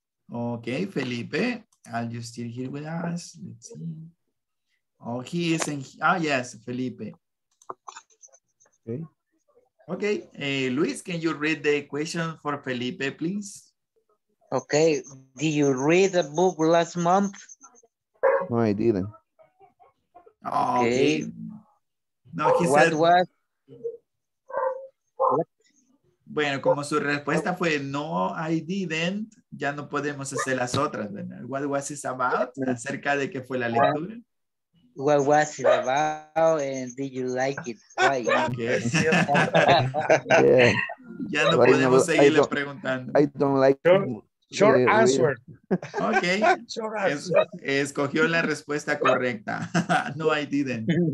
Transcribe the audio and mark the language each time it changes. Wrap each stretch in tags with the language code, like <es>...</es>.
<en>Okay, Felipe. Are you still here with us? Let's see. Oh, he is in. Ah, yes, Felipe. Okay. Okay, Luis, can you read the question for Felipe, please? Okay, did you read the book last month? No, I didn't. Okay. Okay. No, he</en> <es>Bueno, como su respuesta fue no,</es> <en>I didn't,</en> <es>ya no podemos hacer las otras.</es> <en>What was it about?</en> <es>Acerca de qué fue la lectura.</es> <en>What was it about and did you like it? Why?</en> <es>Okay. Yeah. Ya no but podemos seguirle preguntando.</es> <en>I don't like short answer. Okay. Short answer.</en> <es>Escogió la respuesta correcta.</es> <en>No, I didn't.</en>